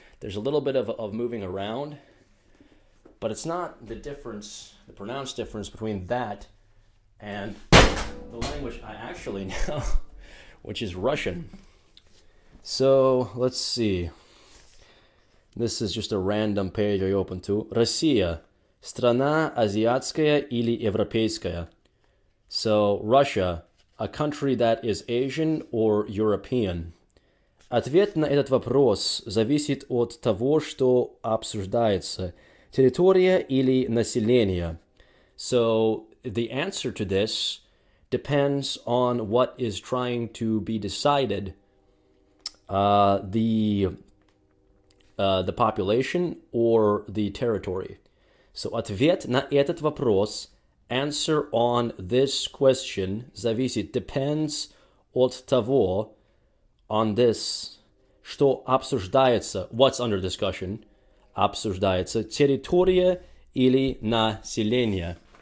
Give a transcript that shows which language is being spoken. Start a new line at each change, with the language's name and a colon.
English: There's a little bit of moving around, but it's not the difference, the pronounced difference between that and the language I actually know, which is Russian. So let's see. This is just a random page I open to.
Russian: Россия, страна азиатская или европейская.
English: So Russia, a country that is Asian or European.
Russian: Ответ на этот вопрос зависит от того, что обсуждается. Территория или население.
English: So the answer to this depends on what is trying to be decided. The population or the territory.
Russian: So, ответ на этот вопрос, answer on this question, зависит, depends от того, on this, что обсуждается, what's under discussion, обсуждается, территория или население.